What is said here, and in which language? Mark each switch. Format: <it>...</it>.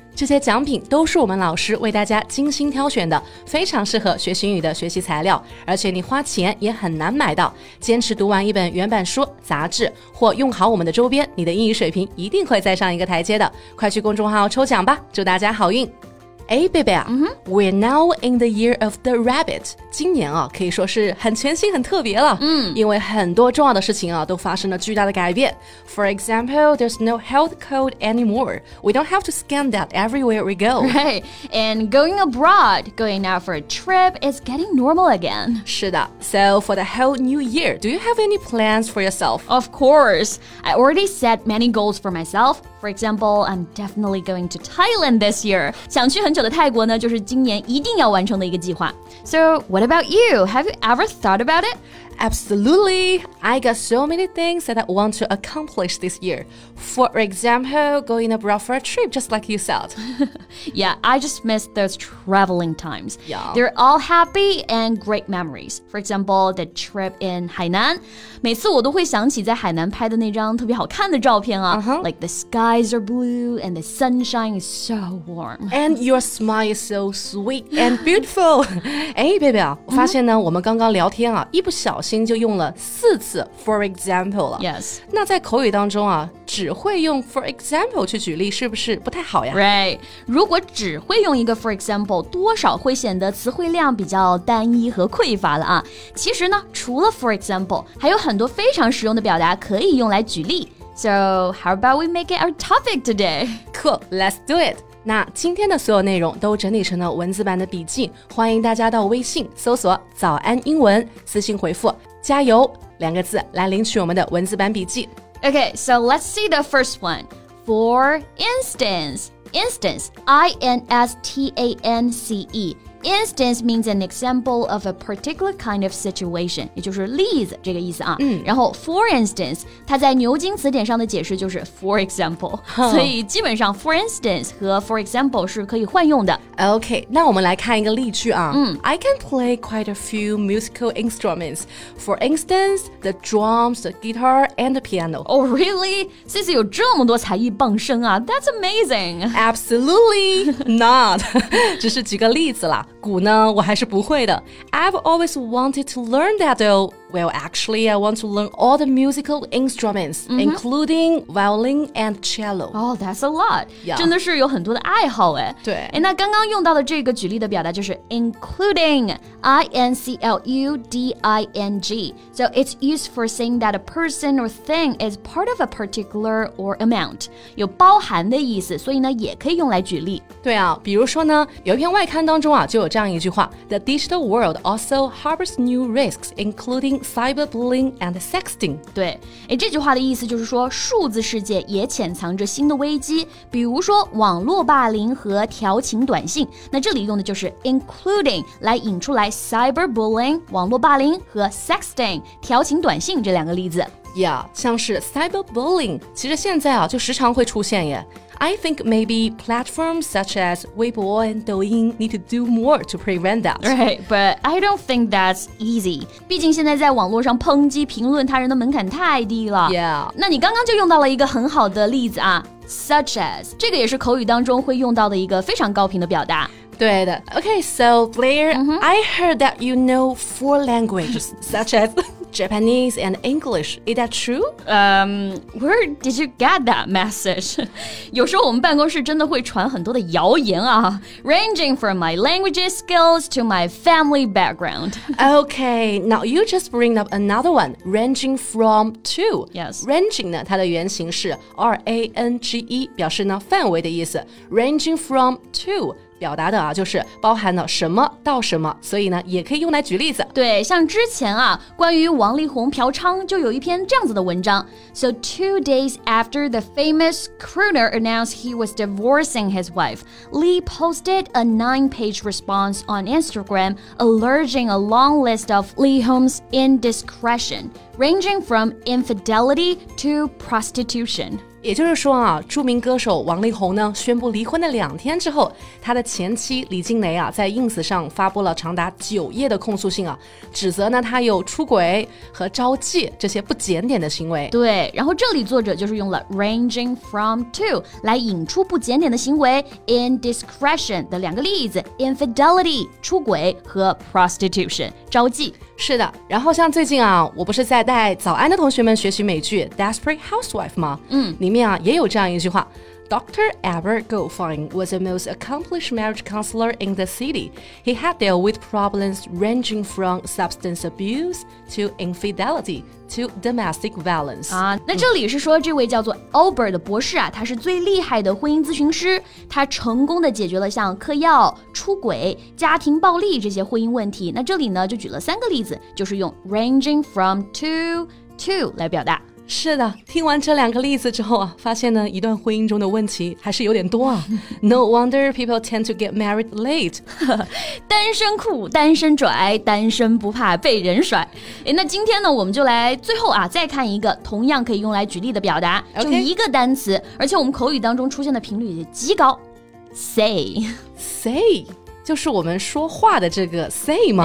<zh>这些奖品都是我们老师为大家精心挑选的，非常适合学习英语的学习材料，而且你花钱也很难买到。坚持读完一本原版书、杂志，或用好我们的周边，你的英语水平一定会再上一个台阶的。快去公众号抽奖吧，祝大家好运。哎，贝贝啊、 mm-hmm.</zh> <en>We're now in the year of the rabbit.</en> <zh>今年啊，可以说是很全新很特别了。嗯、mm. 因为很多重要的事情啊，都发生了巨大的改变。</zh> <en>For example, there's no health code anymore. We don't have to scan that everywhere we go. Right. And going abroad, going out for a trip is getting normal again.</en> <zh>是的。</zh> <en>So for the whole new year, do you have any plans for yourself? Of course. I already set many goals for myself. For example, I'm definitely going to Thailand this year.</en> <zh>想去很久的泰国呢，就是今年一定要完成的一个计划。</zh> <en>So, what about you? Have you ever thought about it? Absolutely! I got so many things that I want to accomplish this year. For example, going abroad for a trip, just like you said. Yeah, I just miss those traveling times. Yeah. They're all happy and great memories. For example, the trip in Hainan.</en> <zh>每次我都会想起在海南拍的那张特别好看的照片啊。 Uh-huh.</zh> <en>Like the skies are blue and the sunshine is so warm. And your smile is so sweet and beautiful.</en> <zh>哎，贝贝啊，我发现呢、mm-hmm. 我们刚刚聊天啊，一不小心就用了四次 for example 了。</zh> <en>Yes.</en> <zh>那在口语当中啊，只会用 for example 去举例是不是不太好呀？</zh> <en>Right.</en> <zh>如果只会用一个 for example, 多少会显得词汇量比较单一和匮乏了啊。其实呢，除了 for example, 还有很多非常实用的表达可以用来举例。</zh> <en>So, how about we make it our topic today? Cool, let's do it.</en> <zh>那今天的所有内容都整理成了文字版的笔记，欢迎大家到微信搜索早安英文，私信回复加油两个字来领取我们的文字版笔记。</zh> <en>Okay, so let's see the first one. For instance, instance, I-N-S-T-A-N-C-E. Instance means an example of a particular kind of situation,</en> <zh>也就是例子这个意思啊。嗯、然后 for instance, 它在牛津词典上的解释就是 for example.、 Huh. 所以基本上 for instance 和 for example 是可以换用的。 Okay, 那我们来看一个例句啊。嗯、</zh> <en>I can play quite a few musical instruments. For instance, the drums, the guitar, and the piano. Oh, really?</en> <zh>Cici 有这么多才艺傍身啊。</zh> <en>That's amazing. Absolutely not.</en> <zh>只是举个例子啦。鼓呢，我还是不会的。</zh> <en>I've always wanted to learn that though. Well, actually, I want to learn all the musical instruments,、 mm-hmm. including violin and cello. Oh, that's a lot.、 Yeah.</en> <zh>真的是有很多的爱好哎。对。哎，那刚刚用到的这个举例的表达就是 including, I-N-C-L-U-D-I-N-G.</zh> <en>So it's used for saying that a person or thing is part of a particular or amount.</en> <zh>有包含的意思，所以呢也可以用来举例。对啊，比如说呢，有一篇外刊当中啊，就有这样一句话</zh> <en>The digital world also harbors new risks, including cyberbullying and sexting.</en> <zh>对，诶，这句话的意思就是说，数字世界也潜藏着新的危机，比如说网络霸凌和调情短信。那这里用的就是 including 来引出来 cyberbullying, 网络霸凌和 sexting, 调情短信这两个例子。 Yeah, 像是 cyberbullying, 其实现在啊，就时常会出现耶。</zh> <en>I think maybe platforms such as Weibo and Douyin need to do more to prevent that. Right, but I don't think that's easy.</en> <zh>毕竟现在在网络上抨击评论他人的门槛太低了。</zh> <en>Yeah.</en> <zh>那你刚刚就用到了一个很好的例子啊 ,such as, 这个也是口语当中会用到的一个非常高频的表达。对的。</zh> <en>Okay, so Blair,、 mm-hmm. I heard that you know four languages, such as... Japanese and English, is that true? Where did you get that message?</en> <zh>有时候我们办公室真的会传很多的谣言啊</zh> <en>ranging from my languages skills to my family background. Okay, now you just bring up another one, ranging from to. Yes.</en> <zh>Ranging 呢，它的原型是 R-A-N-G-E, 表示呢范围的意思 Ranging from to, 表达的啊，就是包含了什么到什么，所以呢也可以用来举例子。对，像之前啊，关于王力宏嫖娼就有一篇这样子的文章。</zh> <en>So 2 days after the famous crooner announced he was divorcing his wife, Lee posted a 9-page response on Instagram alleging a long list of Lee Hong's indiscretion, ranging from infidelity to prostitution.</en> <zh>也就是说啊，著名歌手王力宏呢宣布离婚的两天之后，他的前妻李静蕾啊在 ins 上发布了长达9页的控诉信啊，指责呢他有出轨和招妓这些不检点的行为。对，然后这里作者就是用了 ranging from to 来引出不检点的行为 indiscretion 的两个例子， infidelity 出轨和 prostitution 招妓。是的，然后像最近啊，我不是在带早安的同学们学习美剧 Desperate Housewife 吗？嗯，里面啊也有这样一句话， Dr.</zh> <en>Albert Goldfein was the most accomplished marriage counselor in the city. He had dealt with problems ranging from substance abuse to infidelity to domestic violence.</en> <zh>啊，那这里是说这位叫做 Albert 的博士啊，他是最厉害的婚姻咨询师，他成功的解决了像嗑药、出轨、家庭暴力这些婚姻问题。那这里呢就举了三个例子，就是用 ranging from to 来表达。是的，听完这两个例子之后啊，发现呢一段婚姻中的问题还是有点多啊。</zh> <en>No wonder people tend to get married late.</en> <zh>单身苦，单身拽，单身不怕被人甩。诶，那今天呢我们就来最后啊再看一个同样可以用来举例的表达。</zh> <en>Okay.</en> <zh>就一个单词，而且我们口语当中出现的频率也极高。</zh> <en>Say. Say.</en> <zh>就是我们说话的这个 say 吗？</zh>